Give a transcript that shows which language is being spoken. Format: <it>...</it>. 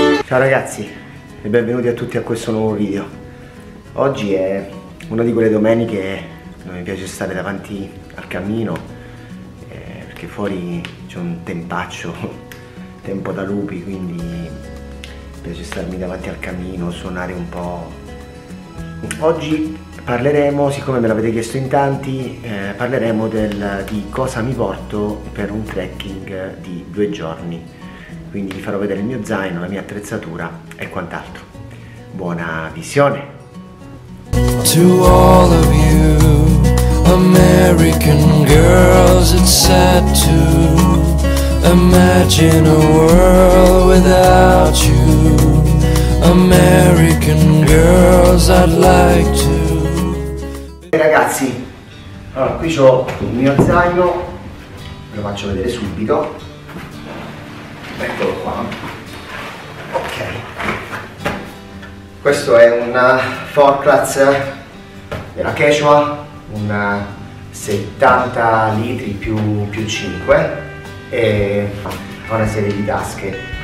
<it>Ciao ragazzi e benvenuti a tutti a questo nuovo video. Oggi è una di quelle domeniche dove mi piace stare davanti al camino perché fuori c'è un tempaccio, tempo da lupi, quindi mi piace starmi davanti al camino, suonare un po'. Oggi parleremo, siccome me l'avete chiesto in tanti, parleremo di cosa mi porto per un trekking di 2 giorni. Quindi vi farò vedere il mio zaino, la mia attrezzatura e quant'altro. Buona visione!</it> <en>To all of you, American girls, it's sad to imagine a world without you. American girls, I'd like to.</en> <it>E ragazzi, allora qui c'ho il mio zaino, ve lo faccio vedere subito. Eccolo qua. Ok, questo è un Forclaz della Quechua, un 70 litri più 5 e ha una serie di tasche.</it>